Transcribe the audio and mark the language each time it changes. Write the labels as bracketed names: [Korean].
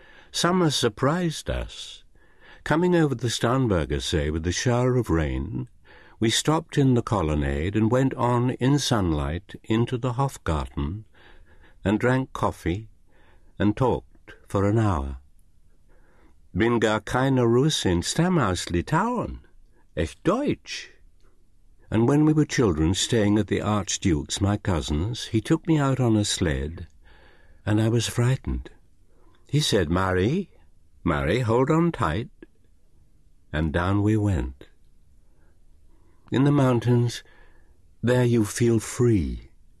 [English] Summer surprised us. Coming over the Starnberger See with a shower of rain, we stopped in the colonnade and went on in sunlight into the Hofgarten and drank coffee and talked for an hour. [German] Bin gar keine Russin, stamm aus Litauen, echt Deutsch. [English] And when we were children staying at the Archduke's, my cousin's, he took me out on a sled, and I was frightened. He said, Marie, hold on tight. And down we went. In the mountains, there you feel free.